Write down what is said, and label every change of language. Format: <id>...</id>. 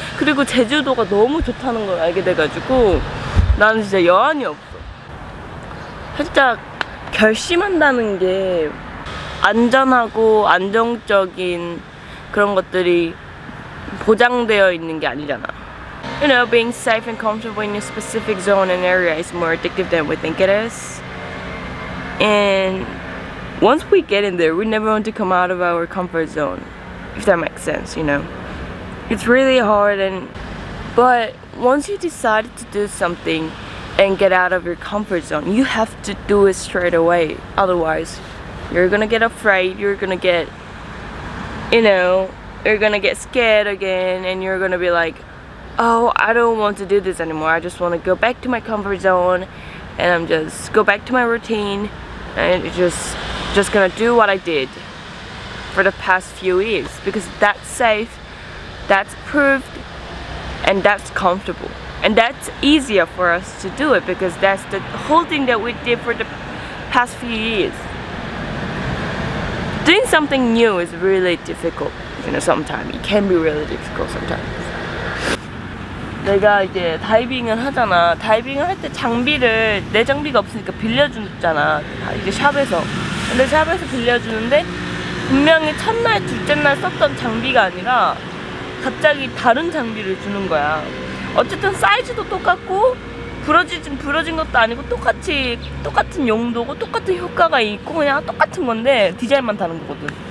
<ko>그리고 제주도가 너무 좋다는 걸 알게 돼가지고 나는 진짜 여한이 없어. 살짝 결심한다는 게 안전하고 안정적인 그런 것들이 보장되어 있는 게 아니잖아.</ko> <en>You know, being safe and comfortable in a specific zone and area is more addictive than we think it is. And once we get in there, we never want to come out of our comfort zone, if that makes sense, you know. It's really hard, but once you decide to do something and get out of your comfort zone, you have to do it straight away. Otherwise, you're gonna get afraid, you're gonna get, you know, you're gonna get scared again, and you're gonna be like, oh, I don't want to do this anymore. I just want to go back to my comfort zone and I'm just go back to my routine and just gonna do what I did for the past few years because that's safe, that's proved, and that's comfortable. And that's easier for us to do it because that's the whole thing that we did for the past few years. Doing something new is really difficult, you know, sometimes. It can be really difficult sometimes.</en> <ko>내가 이제 다이빙을 하잖아. 다이빙을 할 때 장비를 내 장비가 없으니까 빌려주잖아. 이제 샵에서. 근데 샵에서 빌려주는데 분명히 첫날, 둘째날 썼던 장비가 아니라 갑자기 다른 장비를 주는 거야. 어쨌든 사이즈도 똑같고 부러진 것도 아니고 똑같은 용도고 똑같은 효과가 있고 그냥 똑같은 건데 디자인만 다른 거거든.</ko>